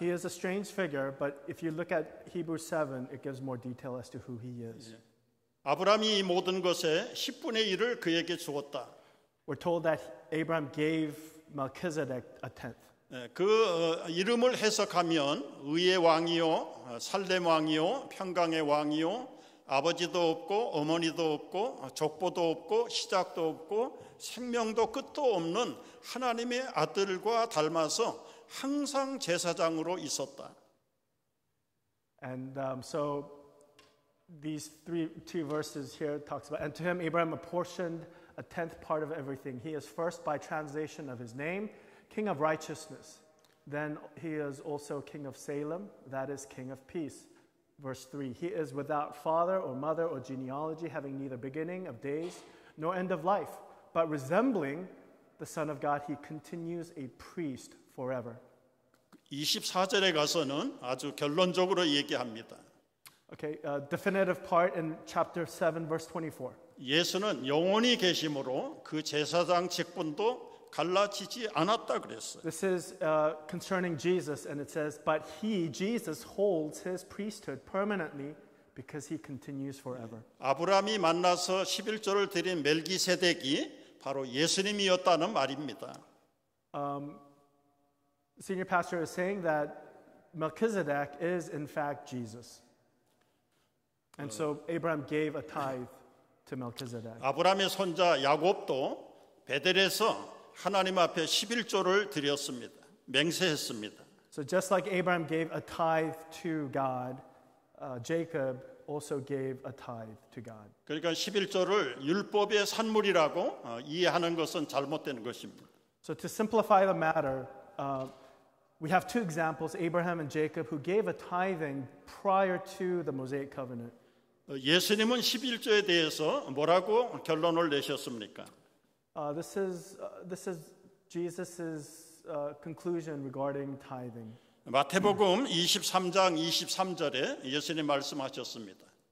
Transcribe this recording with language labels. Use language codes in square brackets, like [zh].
[en] He is a strange figure, but if you look at Hebrews 7, it gives more detail as to who he is. [ko] 아브라함이 이 모든 것의 10분의 1을 그에게 주었다. [en] We're told that Abraham gave Melchizedek a tenth. [ko] 그 이름을 해석하면 의의 왕이요, 살렘 왕이요, 평강의 왕이요, 아버지도 없고 어머니도 없고 족보도 없고 시작도 없고 생명도 끝도 없는 하나님의 아들과 닮아서 항상 제사장으로 있었다. [en] And so these two verses here talks about, and to him Abraham apportioned a tenth part of everything. He is first by translation of his name, King of Righteousness. Then he is also King of Salem, that is King of Peace. Verse 3, he is without father or mother or genealogy, having neither beginning of days nor end of life, but resembling the Son of God, he continues a priest forever. [ko] 24절에 가서는 아주 결론적으로 얘기합니다. [en] Okay, a definitive part in chapter 7, verse 24. [ko] 예수는 영원히 계심으로 그 제사장 직분도 갈라지지 않았다 그랬어요. [en] This is concerning Jesus, and it says, but he, Jesus, holds his priesthood permanently because he continues forever. [ko] 아브라함이 만나서 십일조를 드린 멜기세덱이 바로 예수님이었다는 말입니다. [en] Senior pastor is saying that Melchizedek is in fact Jesus. And so Abraham gave a tithe to Melchizedek. [ko] 아브라함의 손자 야곱도 베델에서 하나님 앞에 십일조를 드렸습니다. 맹세했습니다. [en] So just like Abraham gave a tithe to God, Jacob also gave a tithe to God. [ko] 그러니까 십일조를 율법의 산물이라고 이해하는 것은 잘못된 것입니다. [en] So to simplify the matter, we have two examples, Abraham and Jacob, who gave a tithing prior to the Mosaic Covenant. [ko] 예수님은 십일조에 대해서 뭐라고 결론을 내셨습니까? [en] This is Jesus's conclusion regarding tithing. [ko] 마태복음 23장 23절에 예수님 말씀하셨습니다.